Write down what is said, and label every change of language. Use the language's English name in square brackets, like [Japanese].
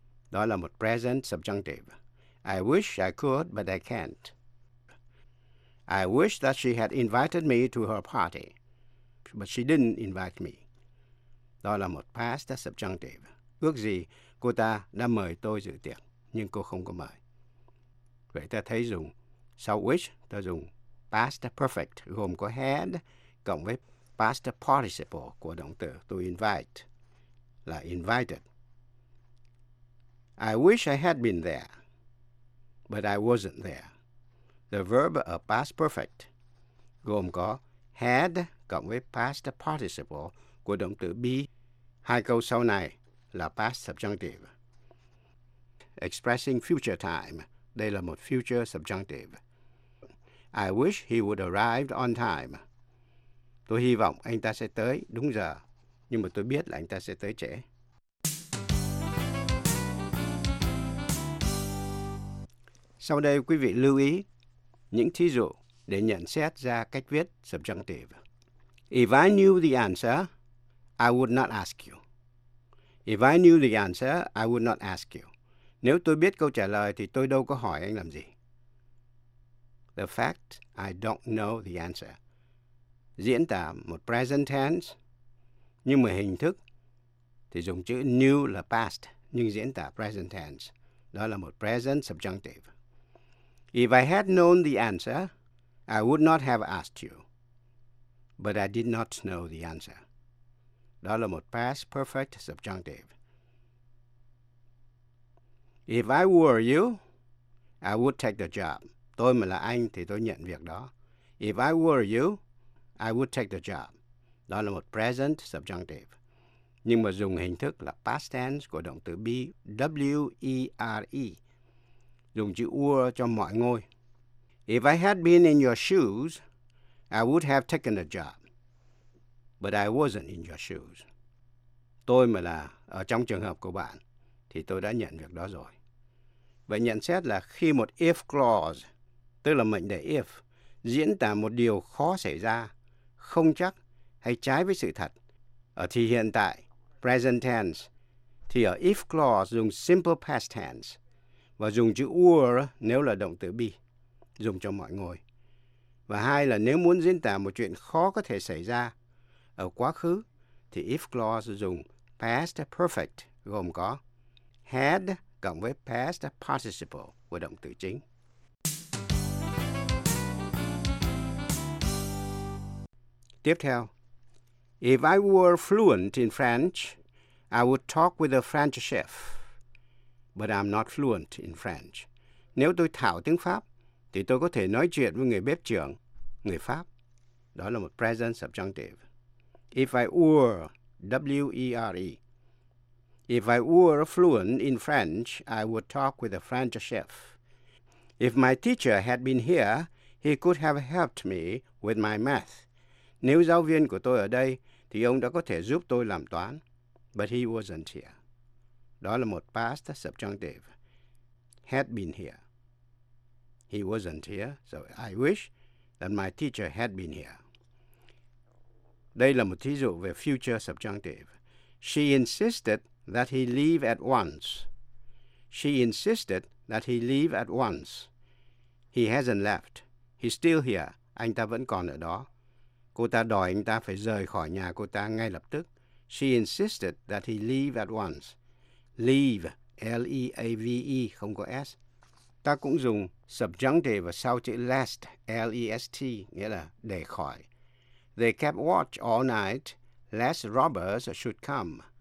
[Vietnamese] Đó là một present subjunctive. [English] I wish I could, but I can't. I wish that she had invited me to her party, but she didn't invite me. [Vietnamese] Đó là một past subjunctive. Ước gì cô ta đã mời tôi dự tiệc, nhưng cô không có mời. Vậy ta thấy dùng sau wish, ta dùng past perfect, gồm có had, cộng với past participle của động từ to invite, là invited. [English] I wish I had been there, but I wasn't there. The verb of past perfect [Vietnamese] gồm có had cộng với past participle của động từ be. Hai câu sau này là past subjunctive. [English] Expressing future time, [Vietnamese] đây là một future subjunctive. [English] I wish he would arrive on time. [Vietnamese] Tôi hy vọng anh ta sẽ tới đúng giờ, nhưng mà tôi biết là anh ta sẽ tới trễ. Sau đây quý vị lưu ý những thí dụ để nhận xét ra cách viết subjunctive. [English] If I knew the answer, I would not ask you. If I knew the answer, I would not ask you. [Vietnamese] Nếu tôi biết câu trả lời thì tôi đâu có hỏi anh làm gì. [English] The fact I don't know the answer. [Vietnamese] Diễn tả một present tense, nhưng mà hình thức thì dùng chữ knew là past, nhưng diễn tả present tense. Đó là một present subjunctive. [English] If I had known the answer, I would not have asked you. But I did not know the answer. [Vietnamese] Đó là một past perfect subjunctive. [English] If I were you, I would take the job. [Vietnamese] Tôi mà là anh thì tôi nhận việc đó. [English] If I were you, I would take the job. [Vietnamese] Đó là một present subjunctive. Nhưng mà dùng hình thức là past tense của động từ be, W-E-R-E. Dùng chữ were cho mọi ngôi. [English] If I had been in your shoes, I would have taken the job. But I wasn't in your shoes. [Vietnamese] Tôi mà là ở trong trường hợp của bạn, thì tôi đã nhận việc đó rồi. Vậy nhận xét là khi một if clause, tức là mệnh đề if, diễn tả một điều khó xảy ra, không chắc hay trái với sự thật, ở thì hiện tại, present tense, thì ở if clause dùng simple past tense, và dùng chữ were nếu là động từ be, dùng cho mọi người. Và hai là nếu muốn diễn tả một chuyện khó có thể xảy ra ở quá khứ, thì if clause dùng past perfect gồm có had cộng với past participle của động từ chính. Tiếp theo, [English] if I were fluent in French, I would talk with a French chef. But I'm not fluent in French. [Vietnamese] Nếu tôi thạo tiếng Pháp, thì tôi có thể nói chuyện với người bếp trưởng, người Pháp. Đó là một present subjunctive. [English] If I were, W-E-R-E. If I were fluent in French, I would talk with a French chef. If my teacher had been here, he could have helped me with my math. [Vietnamese] Nếu giáo viên của tôi ở đây, thì ông đã có thể giúp tôi làm toán. [English] But he wasn't here. [Vietnamese] Đó là một past subjunctive. [English] Had been here. He wasn't here, so I wish that my teacher had been here. [Vietnamese] Đây là một thí dụ về future subjunctive. [English] She insisted that he leave at once. She insisted that he leave at once. He hasn't left. He's still here. [Vietnamese] Anh ta vẫn còn ở đó. Cô ta đòi anh ta phải rời khỏi nhà cô ta ngay lập tức. [English] She insisted that he leave at once. [Vietnamese] Leave, L-E-A-V-E, không có S. Ta cũng dùng subjunctive sau chữ lest, L-E-S-T, nghĩa là để khỏi. [English] They kept watch all night, lest robbers should come.